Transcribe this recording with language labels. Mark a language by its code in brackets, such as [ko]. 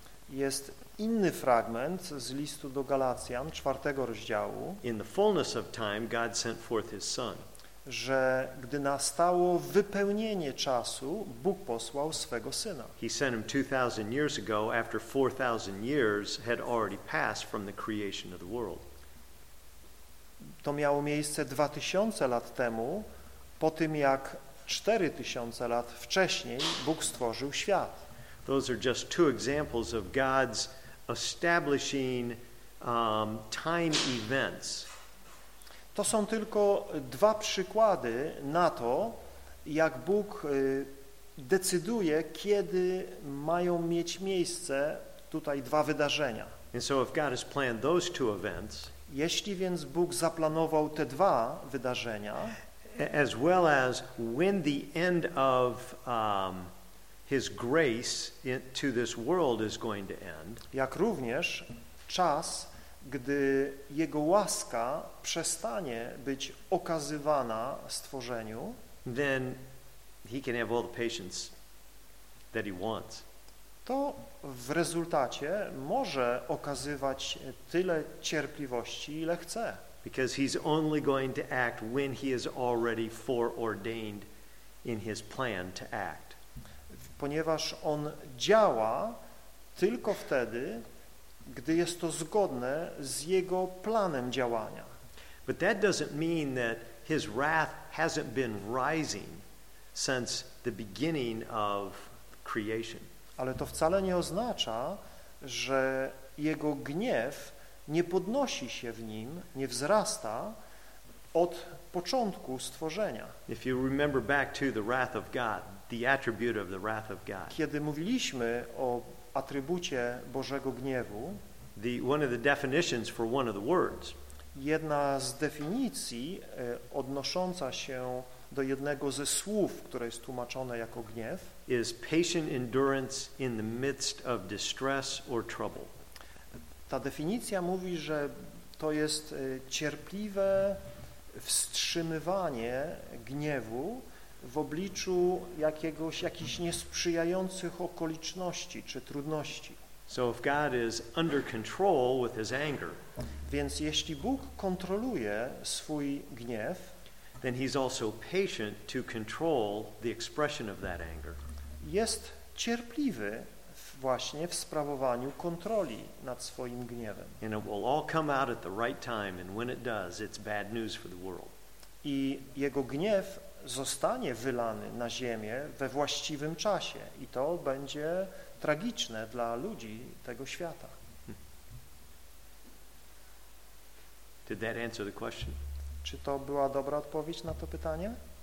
[pl] Jest inny fragment z listu do Galacjan, czwartego rozdziału. [en] In the fullness of time, God sent forth his son. [pl] Że gdy nastało wypełnienie czasu, Bóg posłał swego syna. [en] He sent him 2,000 years ago after 4,000 years had already passed from the creation of the world. [pl] To miało miejsce 2,000 lat temu, po tym jak 4,000 lat wcześniej Bóg stworzył świat. [en] Those are just two examples of God's establishing time events. [pl] To są tylko dwa przykłady na to, jak Bóg decyduje, kiedy mają mieć miejsce tutaj dwa wydarzenia. [en] And so if God has planned those two events, [pl] jeśli więc Bóg zaplanował te dwa wydarzenia, [en] as well as when the end of his grace to this world is going to end, [pl] jak również czas, gdy jego łaska przestanie być okazywana stworzeniu, [en] then he can have all the patience that he wants. [pl] To w rezultacie może okazywać tyle cierpliwości, ile chce. [en] Because he's only going to act when he is already foreordained in his plan to act. [pl] Ponieważ on działa tylko wtedy, gdy jest to zgodne z jego planem działania. [en] But that doesn't mean that his wrath hasn't been rising since the beginning of creation. [pl] Ale to wcale nie oznacza, że jego gniew nie podnosi się w nim, nie wzrasta od początku stworzenia. [en] If you remember back to the wrath of God, the attribute of the wrath of God. [pl] Kiedy mówiliśmy o atrybucie Bożego gniewu, [en] one of the definitions for one of the words. [pl] Jedna z definicji odnosząca się do jednego ze słów, które jest tłumaczone jako gniew, [en] is patient endurance in the midst of distress or trouble. [pl] Ta definicja mówi, że to jest cierpliwe wstrzymywanie gniewu w obliczu jakichś niesprzyjających okoliczności czy trudności. [en] So if God is under control with his anger, [pl] więc jeśli Bóg kontroluje swój gniew, [en] then he's also patient to control the expression of that anger. [pl] Jest cierpliwy właśnie w sprawowaniu kontroli nad swoim gniewem. [en] And it will all come out at the right time, and when it does, it's bad news for the world. [pl] I jego gniew zostanie wylany na ziemię we właściwym czasie i to będzie tragiczne dla ludzi tego świata. [en] Did that answer the question? [pl] Czy to była dobra odpowiedź na to pytanie?